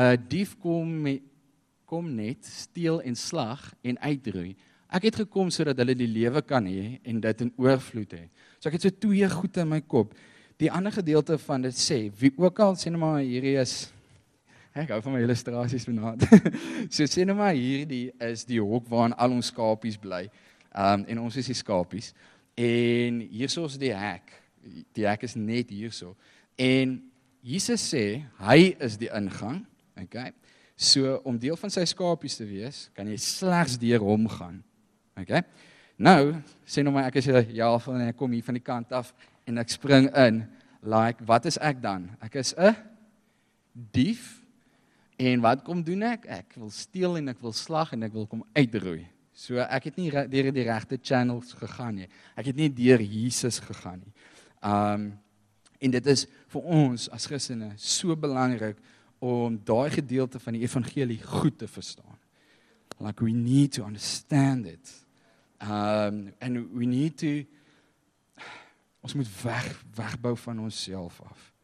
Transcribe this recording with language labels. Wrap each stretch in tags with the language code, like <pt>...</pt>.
<af>Dief kom net, steel en slag en uitroei. Ek het gekom sodat hulle die lewe kan hê en dit in oorvloed hê. So ek het so twee goed in my kop. Die ander gedeelte van dit sê, wie ook al, sê nou maar hierdie is, ek hou van my illustraties vanaand, so sê nou maar hierdie is die hok waarin al ons skapies bly, en ons is die skapies, en hierso is die hek is net hierso, en Jesus sê, hy is die ingang, oké, okay. So om deel van sy skapies te wees, kan jy slegs deur hom gaan, oké. Okay. Nou, sê nou maar, ek is jou van, en ek kom hier van die kant af, en ek spring in, like, wat is ek dan? Ek is 'n dief, en wat kom doen ek? Ek wil steel, en ek wil slag, en ek wil kom uitroei. So ek het nie deur die regte channels gegaan nie, ek het nie deur Jesus gegaan nie. En dit is vir ons as Christene so belangrik, om daai gedeelte van die evangelie goed te verstaan.</af> <en>Like we need to understand it. And we need to,</en> <af>ons moet wegbou van onsself af.</af>